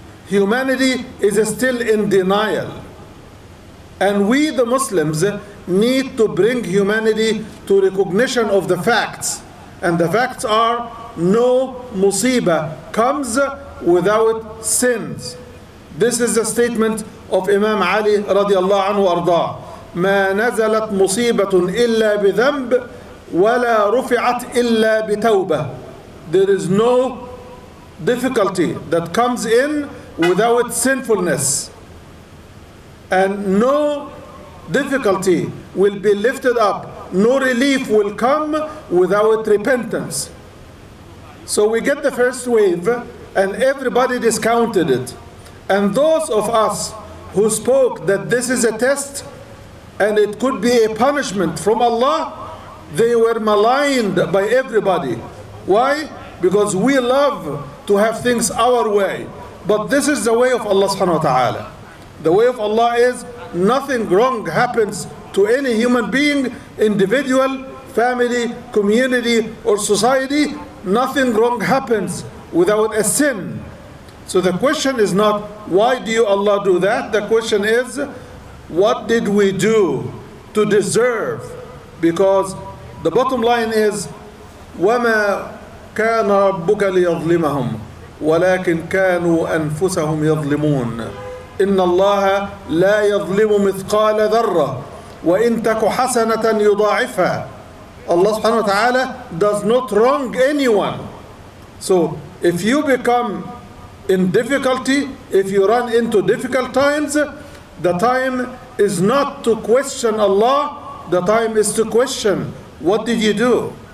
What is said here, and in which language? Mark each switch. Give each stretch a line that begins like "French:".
English: Humanity is still in denial. And we, the Muslims, need to bring humanity to recognition of the facts. And the facts are no musibah comes without sins. This is the statement of Imam Ali radiallahu anhu arda.
Arabic: ما نزلت مصيبة إلا بذنب ولا رفعت إلا بتوبة.
English: There is no difficulty that comes in without sinfulness. And no difficulty will be lifted up, no relief will come without repentance. So we get the first wave and everybody discounted it. And those of us who spoke that this is a test and it could be a punishment from Allah, they were maligned by everybody. Why? Because we love to have things our way. But this is the way of Allah subhanahu wa ta'ala. The way of Allah is nothing wrong happens to any human being, individual, family, community, or society. Nothing wrong happens without a sin. So the question is not, why do you Allah do that? The question is, what did we do to deserve? Because the bottom line is,
Arabic: وَمَا كَانَ رَبُّكَ لِيَظْلِمَهُمْ وَلَكِنْ كَانُوا أَنفُسَهُمْ يَظْلِمُونَ. إن الله لا يظلم مثقال ذرة وإن تك حسنة يضاعفها.
English: Allah سبحانه وتعالى does not wrong anyone. So if you become in difficulty, if you run into difficult times, the time is not to question Allah, the time is to question, what did you do?